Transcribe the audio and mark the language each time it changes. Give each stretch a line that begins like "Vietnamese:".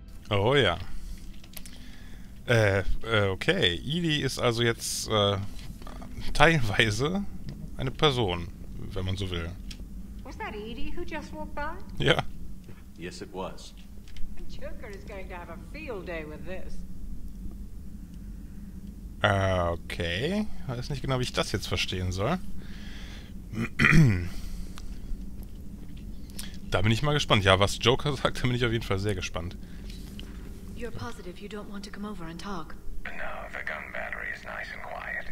German: Oh ja. Okay, Edie ist also jetzt teilweise eine Person, wenn man so will.
English: Was that Edie who just walked by?
German: Ja.
English: Yes, it was. Joker is going to have a field day with this.
German: Okay, weiß nicht genau, wie ich das jetzt verstehen soll. Da bin ich mal gespannt. Ja, was Joker sagt, da bin ich auf jeden Fall sehr gespannt.
English: You're positive you don't want to come over and talk. No, the gun battery is nice and quiet.